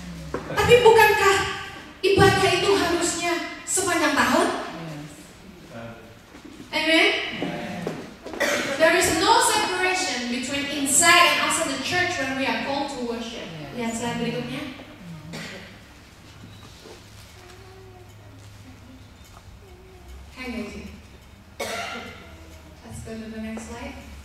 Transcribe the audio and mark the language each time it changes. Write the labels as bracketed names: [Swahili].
[Indonesian] Bukankah itu harusnya sepanjang tahun? [English] Yes. Amen. There is no separation between inside and outside the church when we are called to worship. [Indonesian] Lihat slide berikutnya. [English] Let's go to the next slide.